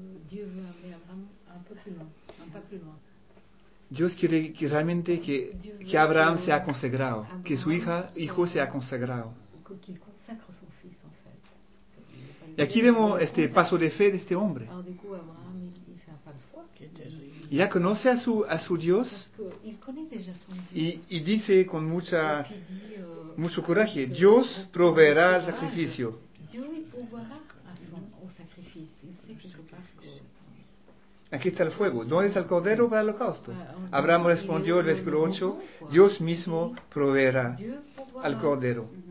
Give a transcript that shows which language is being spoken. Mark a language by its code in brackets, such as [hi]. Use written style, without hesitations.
[fr] Dieu veut amener Abraham un peu plus loin, un pas plus loin. [es] Dios quiere que realmente que Abraham sea consagrado, Abraham, que su hijo sea consagrado. [fr] Qu'il consacre son fils, en fait. [es] Y aquí vemos este paso de fe de este hombre. [fr] Alors, du coup, Abraham, il fait un pas de foi. [es] Ya conoce a su Dios. [fr] Il connaît déjà son Dieu. [es] Y dice con mucho coraje: Dios proveerá el sacrificio. [fr] Dieu pourvoira au sacrifice. Il sait quelque part que... [es] Aquí está el fuego. ¿Dónde está el cordero para el holocausto? Abraham respondió, el versículo 8, Dios mismo proveerá al cordero.